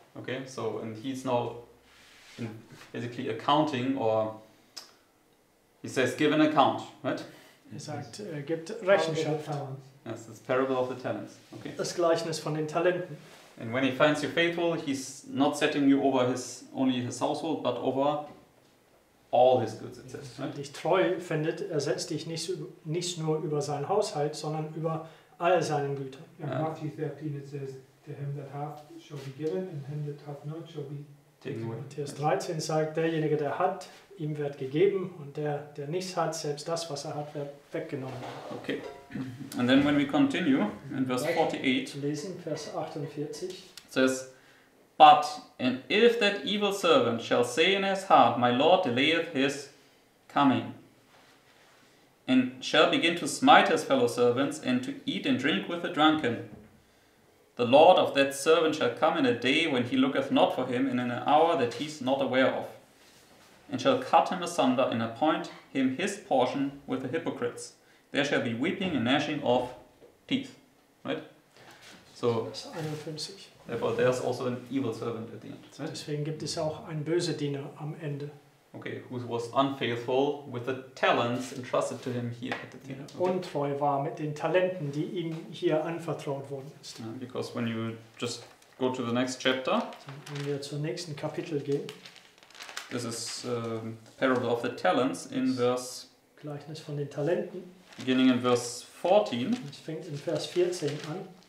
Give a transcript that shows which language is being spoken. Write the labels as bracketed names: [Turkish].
[English] Okay, so and he's now in basically accounting, or he says, give an account, right? [German] Er sagt, gibt Rechenschaft. [English] Yes, this parable of the talents. Okay. [German] Das Gleichnis von den Talenten. [English] And when he finds you faithful, he's not setting you over only his household, but over all his goods, it says. [German] Wenn dich treu findet, er setzt dich nicht nur über seinen Haushalt, sondern über all seinen Güter. [English] In Matthew 13 it says, to him that hath shall be given, and him that hath not shall be taken away. [German] Matthäus 13 sagt, derjenige, der hat, ihm wird gegeben, und der nichts hat, selbst das, was er hat, wird weggenommen. [English] Okay. And then when we continue in verse 48, [German] lesen Vers 48, [English] it says, "But and if that evil servant shall say in his heart, My Lord delayeth his coming, and shall begin to smite his fellow servants, and to eat and drink with the drunken, the Lord of that servant shall come in a day when he looketh not for him, and in an hour that he's not aware of, and shall cut him asunder, and appoint him his portion with the hypocrites. There shall be weeping and gnashing of teeth." Right? So, therefore, there's also an evil servant at the end. Right? [German] Deswegen gibt es auch einen bösen Diener am Ende. [English] Okay, who was unfaithful with the talents entrusted to him here at the end. Okay. [German] Untreu war mit den Talenten, die ihm hier anvertraut worden ist. [English] Yeah, because when you just go to the next chapter, [German] wenn wir zum nächsten Kapitel gehen, [English] this is the parable of the talents in verse. [German] Gleichnis von den Talenten. [English] Beginning in verse 14. [German] Es fängt in Vers 14 an.